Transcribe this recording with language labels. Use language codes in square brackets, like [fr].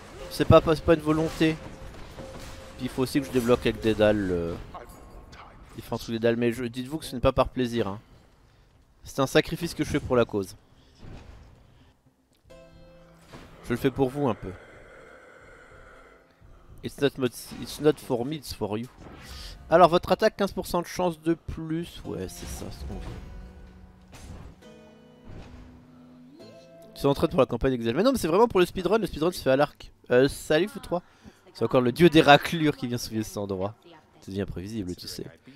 [fr] C'est pas une volonté. Puis il faut aussi que je débloque avec des dalles. Différents trucs des dalles. Mais dites-vous que ce n'est pas par plaisir. Hein. C'est un sacrifice que je fais pour la cause. Je le fais pour vous un peu. [en] It's not for me, it's for you. [fr] Alors votre attaque, 15% de chance de plus. Ouais, c'est ça ce qu'on veut. Tu t'entraînes pour la campagne Exile. Mais non, mais c'est vraiment pour le speedrun. Le speedrun se fait à l'arc. Salut vous trois. C'est encore le dieu des raclures qui vient souiller cet endroit. Ça devient prévisible, tu sais.